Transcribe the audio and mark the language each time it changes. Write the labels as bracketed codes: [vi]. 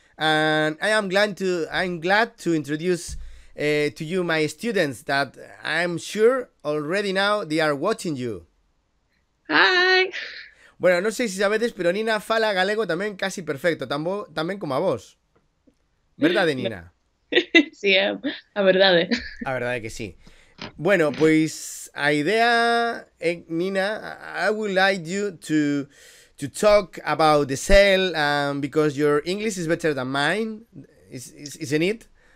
[en] And I am glad to introduce to you my students that I'm sure already now they are watching you. Hi. [es] Bueno, no sé si sabedes, pero Nina [gl] fala galego [es] también casi perfecto, también como a vos. ¿Verdad, Nina? [gl] Sí, a verdade. A verdade que sí. Bueno, pues a idea, [en] Nina, I would like you to talk about the cell because your English is better than mine, isn't it?